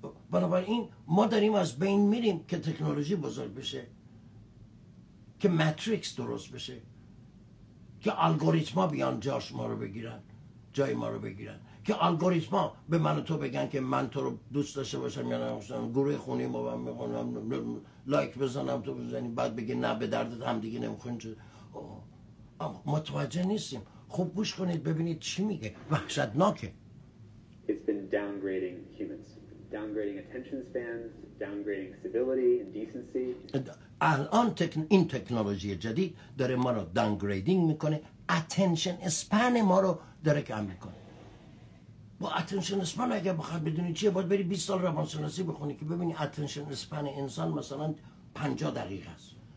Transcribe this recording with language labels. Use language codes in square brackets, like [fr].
[fa] بنابراین ما داریم از بین میریم که تکنولوژی بزرگ بشه، که ماتریکس درست بشه، که الگوریتما بیان جاش ما رو بگیرن، جای ما رو بگیرن، که الگوریتما به من و تو بگن که من تو رو دوست داشته باشم یا نه، گروه خونی ما هم میخونم لایک بزنم تو بزنی بعد بگی نه به دردت هم دیگه نمیخونی چه. اما متوجه نیستیم. خوب گوش کنید ببینید چی میگه. وحشتناکه. [en] It's been downgrading humans, downgrading attention spans, downgrading civility and decency. [fa] الان این تکنولوژی جدید داره ما رو downgrading میکنه، attention span ما رو داره کم میکنه. با attention span اگه بخواد بدونی چیه باید بری 20 سال روانشناسی بخونی که ببینی attention span انسان مثلا 50 دقیقه است.